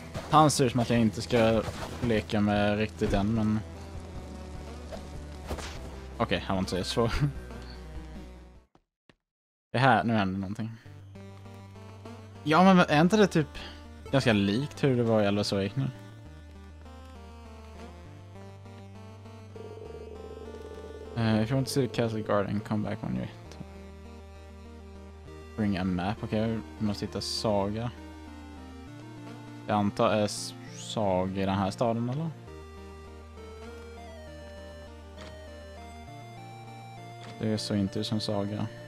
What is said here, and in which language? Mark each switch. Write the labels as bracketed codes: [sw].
[sv] Han ser ut som att jag inte ska leka med riktigt än, men... Okej, okay, han var inte så svår. Det här, nu händer någonting. Ja, men är inte det typ ganska likt hur det var i Elvis Awakening? [en] If you want to see the castle garden, come back when you bring a map. [sv] Okej, okay, måste hitta Saga. Jag antar är Saga i den här staden, eller? Det är så inte som Saga.